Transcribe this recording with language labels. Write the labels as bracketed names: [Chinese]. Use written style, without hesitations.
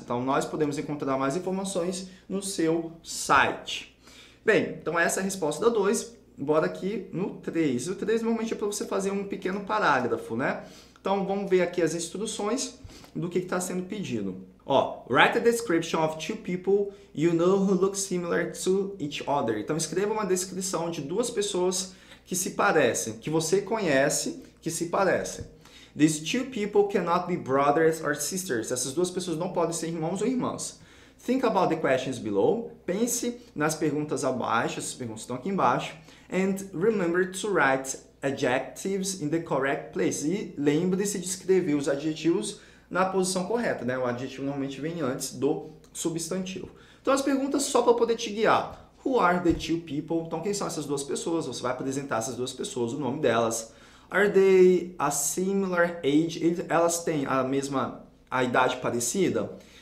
[Portuguese] Então, nós podemos encontrar mais informações no seu site. Bem, então essa é a resposta da 2. Bora aqui no 3. O 3 normalmente é para você fazer um pequeno parágrafo, né? Então, vamos ver aqui as instruções do que está sendo pedido. [English] Ó, write a description of two people you know who look similar to each other. [Portuguese] Então, escreva uma descrição de duas pessoas que se parecem, que você conhece, que se parecem. [English] These two people cannot be brothers or sisters. [Portuguese] Essas duas pessoas não podem ser irmãos ou irmãs. [English] Think about the questions below. [Portuguese] Pense nas perguntas abaixo. Essas perguntas estão aqui embaixo. [English] And remember to write adjectives in the correct place. [Portuguese] E lembre-se de escrever os adjetivos na posição correta, né? O adjetivo normalmente vem antes do substantivo. Então, as perguntas só para poder te guiar. [English] Who are the two people? [Portuguese] Então, quem são essas duas pessoas? Você vai apresentar essas duas pessoas, o nome delas. [English] Are they a similar age? [Portuguese] Elas têm a idade parecida?